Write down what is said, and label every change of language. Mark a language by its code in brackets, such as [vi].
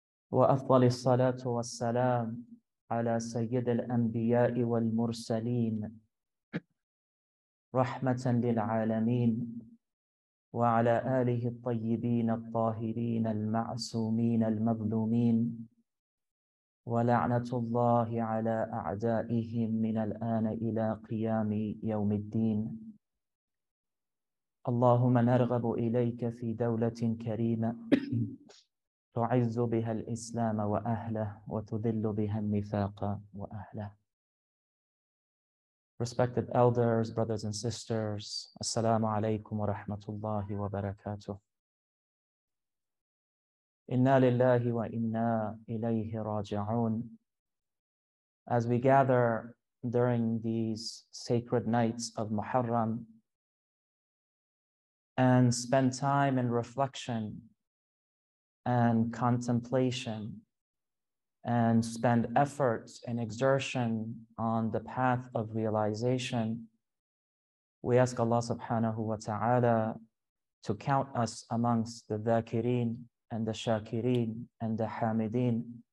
[ar] وأفضل الصلاة والسلام على سيد الأنبياء والمرسلين رحمة للعالمين وعلى آله الطيبين الطاهرين المعصومين المظلومين ولعنة الله على أعدائهم من الآن إلى قيام يوم الدين اللهم نرغب إليك في دولة كريمة تعز بها الإسلام وأهله وتذل بها النفاق وأهله. [en] Respected elders, brothers and sisters, [ar] السلام عليكم ورحمة الله وبركاته. إنا لله وإنا إليه راجعون. [en] As we gather during these sacred nights of Muharram and spend time in reflection and contemplation and spend effort and exertion on the path of realization, we ask Allah subhanahu wa ta'ala to count us amongst the dhakirin and the shakirin and the hamidin.